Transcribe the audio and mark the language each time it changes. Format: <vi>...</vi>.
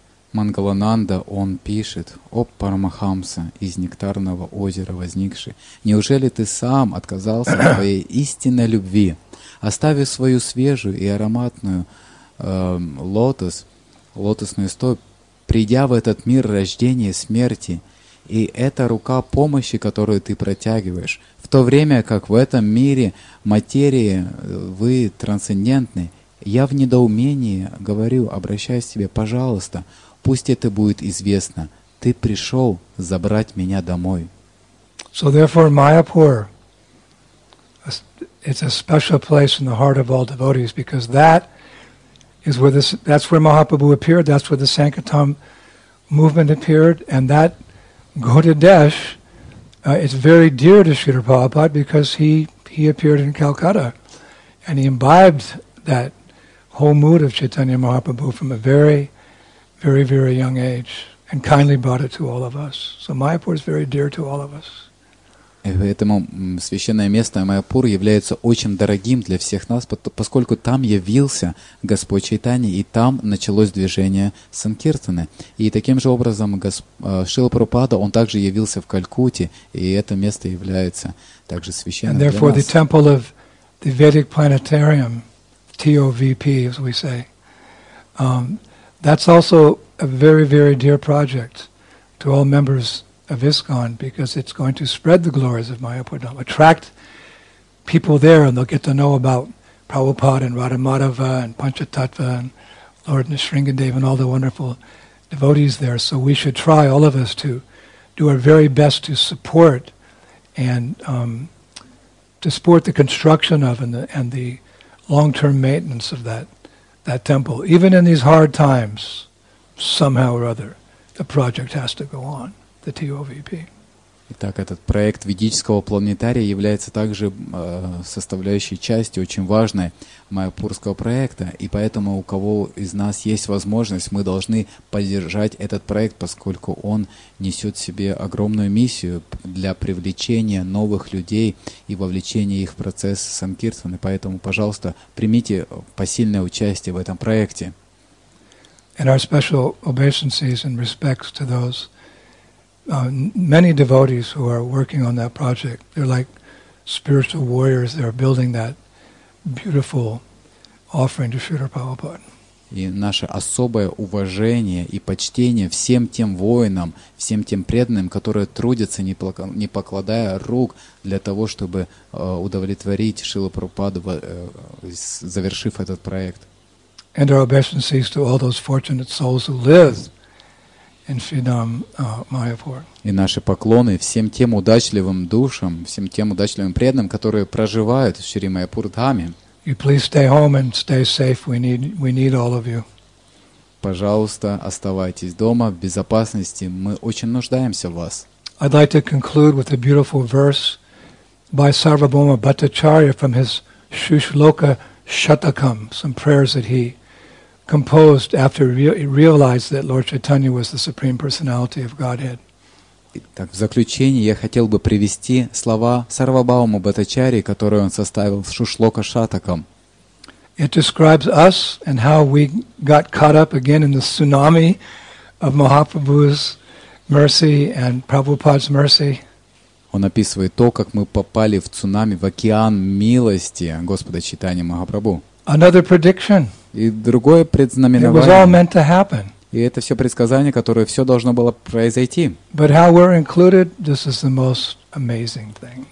<ru>Мангалананда, он пишет, «О Парамахамса, из нектарного озера возникший, неужели ты сам отказался от твоей истинной любви, оставив свою свежую и ароматную лотосную стопь, придя в этот мир рождения смерти, и это рука помощи, которую ты протягиваешь, в то время как в этом мире материи вы трансцендентны. Я в недоумении говорю, обращаюсь к тебе, пожалуйста, пусть это будет известно. Ты пришел забрать меня домой».</ru> <en>So therefore Mayapur, it's a special place in the heart of all devotees, because that is where this, that's where Mahaprabhu appeared, that's where the Sankirtan movement appeared, and that Gaudadesh, it's very dear to Śrīla Prabhupāda because he appeared in Calcutta and he imbibed that whole mood of Chaitanya Mahaprabhu from a very, very, very young age and kindly brought it to all of us. So Mayapur is very dear to all of us.</en> <ru>И поэтому священное место Майяпур является очень дорогим для всех нас, поскольку там явился Господь Чайтанья, и там началось движение Санкиртаны. И таким же образом Шрила Прабхупада, он также явился в Калькутте, и это место является также священным для нас.</ru> <en>And therefore the temple of the Vedic Planetarium, TOVP, as we say, that's also a very, very dear project to all members of ISKCON, because it's going to spread the glories of Mayapur, attract people there, and they'll get to know about Prabhupada and Radha Madhava and Panchatattva and Lord Nisringadeva and all the wonderful devotees there. So we should try, all of us, to do our very best to support and to support the construction of and the long-term maintenance of that temple. Even in these hard times, somehow or other, the project has to go on, the TOVP.</en> <ru>Итак, этот проект ведического планетария является также составляющей частью, очень важной, майяпурского проекта. И поэтому у кого из нас есть возможность, мы должны поддержать этот проект, поскольку он несет в себе огромную миссию для привлечения новых людей и вовлечения их в процесс санкиртаны. Поэтому, пожалуйста, примите посильное участие в этом проекте.</ru> <en>And our special obeisances and respects to those many devotees who are working on that project. They're like spiritual warriors. They're building that beautiful offering to Srila Prabhupada.</en> <ru>И наше особое уважение и почтение всем тем воинам, всем тем преданным, которые трудятся, не покладая рук, для того, чтобы удовлетворить Шрилу Прабхупаду, завершив этот проект.</ru> <en>And our obeisances to all those fortunate souls who live in Sridham, Mayapur.</en> <ru>И наши поклоны всем тем удачливым душам, всем тем удачливым преданным, которые проживают в Шри Майяпур Дхаме.</ru> <en>You please stay home and stay safe. We need all of you.</en> <ru>Пожалуйста, оставайтесь дома в безопасности. Мы очень нуждаемся в вас.</ru> <en>I'd like to conclude with a beautiful verse by Sarvabhauma Bhattacharya from his Shushloka Shatakam, some prayers that he composed after he realized that Lord Chaitanya was the Supreme Personality of Godhead.</en> <ru>Итак, в заключение я хотел бы привести слова Сарвабхаума Бхаттачарьи, которые он составил в Шушлока Шатакам.</ru> <en>It describes us and how we got caught up again in the tsunami of Mahaprabhu's mercy and Prabhupada's mercy.</en> <ru>Он описывает то, как мы попали в цунами, в океан милости Господа Чайтаньи Махапрабху.</ru> <en>Another prediction.</en> <ru>И другое предзнаменование.</ru> <en>It was all meant to happen.</en> <ru>И это все предсказание, которое все должно было произойти.</ru> <en>But how we're included, this is the most amazing thing.</en>